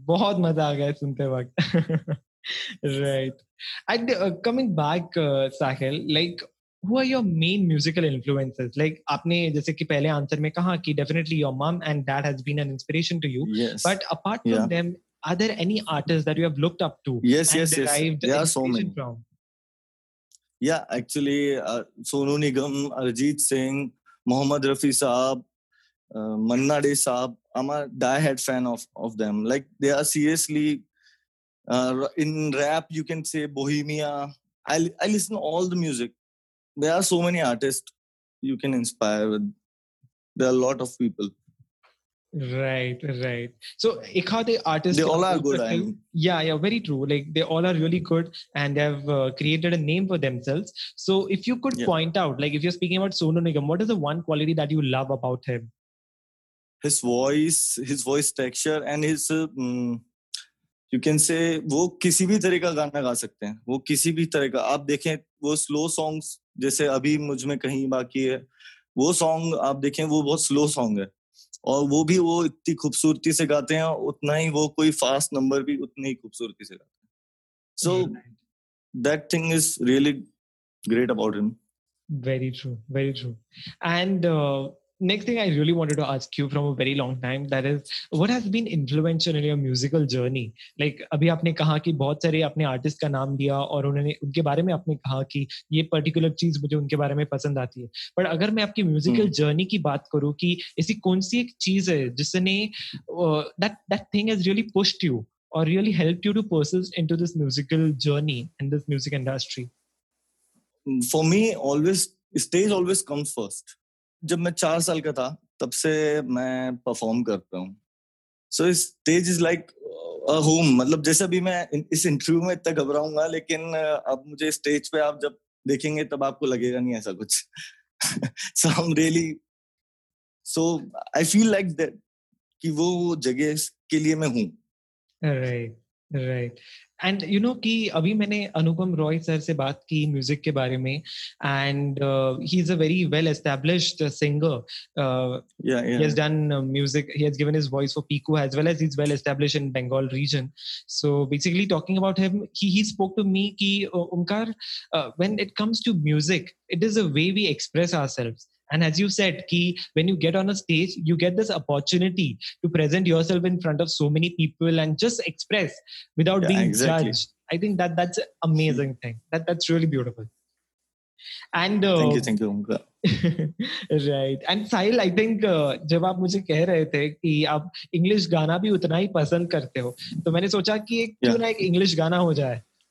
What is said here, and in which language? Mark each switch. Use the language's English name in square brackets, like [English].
[Hindi] बहुत मजा आ गया सुनते वक्त. [English] Right. And coming back, Sahil, like, who are your main musical influences? Like, [Hindi] आपने जैसे कि पहले आंसर में कहा कि [English] definitely your mom and dad has been an inspiration to you. Yes. But apart from yeah. them, are there any artists that you have looked up to? Yes, and yes, derived yes. Yeah, so many. From? Yeah, actually, Sonu Nigam, Arjit Singh, Mohammad Rafi Saab. Manna De Saab, I'm a diehard fan of them. Like, they are seriously, in rap, you can say Bohemia. I listen to all the music. There are so many artists you can inspire with. There are a lot of people. Right. So, ek haade artists... They all are good, I mean. Yeah, very true. Like, they all are really good and they have created a name for themselves. So, if you could point out, like, if you're speaking about Sonu Nigam, what is the one quality that you love about him? His voice texture and his you can say [Hindi] वो किसी भी तरह का गाना गा सकते हैं वो किसी भी तरह का आप देखें वो slow songs जैसे अभी मुझ में कहीं बाकी है वो song आप देखें वो बहुत slow song है और वो भी वो इतनी खूबसूरती से गाते हैं उतना ही वो कोई fast number भी उतनी ही खूबसूरती से गाते हैं [English] so that thing is really great about him very true and next thing I really wanted to ask you from a very long time, that is, what has been influential in your musical journey? [Hindi] Like, अभी आपने कहा कि बहुत सारे आपने artist का नाम लिया और उन्होंने उनके बारे में आपने कहा कि ये particular चीज मुझे उनके बारे में पसंद आती है. [English] But [Hindi] अगर मैं आपकी musical journey की बात करूँ कि ऐसी कौन सी एक चीज है जिसने [English] that thing has really pushed you or really helped you to persist into this musical journey and this music industry? For me, always stage always comes first. [Hindi] जब मैं 4 साल का था तब से मैं परफॉर्म करता हूँ. [English] So stage is like a home. [Hindi] मतलब जैसे अभी मैं इस इंटरव्यू में इतना घबराऊंगा, लेकिन अब मुझे स्टेज पे आप जब देखेंगे तब आपको लगेगा नहीं ऐसा कुछ. [English] so I am really, so I feel like that [Hindi] कि वो जगह के लिए मैं हूँ. [English] Right. And you know [Hindi] ki abhi maine Anupam Roy sir se baat ki music ke bare mein, [English] and he's a very well established singer. Yeah. He has done music, he has given his voice for Piku as well, as he's well established in Bengal region. So basically talking about him, he spoke to me ki Omkar, when it comes to music, it is a way we express ourselves. And as you said, ki when you get on a stage, you get this opportunity to present yourself in front of so many people and just express without being judged. I think that's an amazing thing. That's really beautiful. And thank you, Omkar. Right. And Sahil, I think [Hindi] जब आप मुझे कह रहे थे कि आप English गाना भी उतना ही पसंद करते हो, तो मैंने सोचा कि एक क्यों ना एक इंग्लिश गाना हो जाए.